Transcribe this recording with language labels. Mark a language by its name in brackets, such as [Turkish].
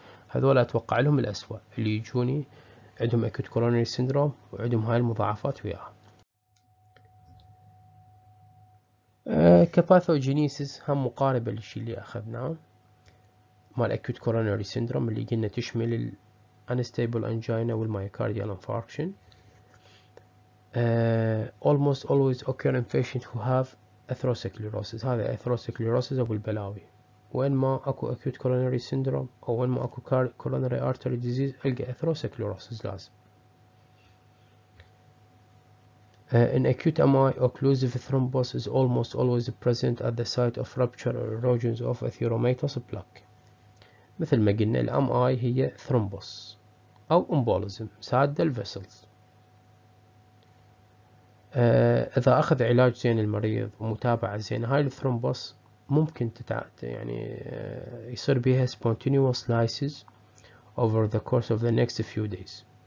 [Arabic] هذول اتوقع لهم الاسوأ اللي يجوني عندهم اكوت كورونري سيندروم وعندهم هاي المضاعفات وياها. كباثوجينيسيس هم مقاربة للشي اللي اخذناه مال اكوت كورونري سيندروم اللي قلنا تشمل الانستابل انجينا والمايوكارديال انفاركشن. [English] Almost always occur in patients who have atherosclerosis. [Arabic] هذا atherosclerosis أبو البلاوي. وين ما أكو [English] acute coronary syndrome [Arabic] أو وين ما أكو [English] coronary artery disease [Arabic] ألقى atherosclerosis لازم. [English] In acute MI, occlusive thrombus is almost always present at the site of rupture or erosions of atheromatous plaque. [Arabic] مثل ما قلنا الـ MI هي thrombus أو embolism سادة الـ vessels. اذا اخذ علاج زين المريض ومتابعه زين هاي الثرومبوس ممكن يعني يصير بيها [English] spontaneous lysis over the course of the next few days.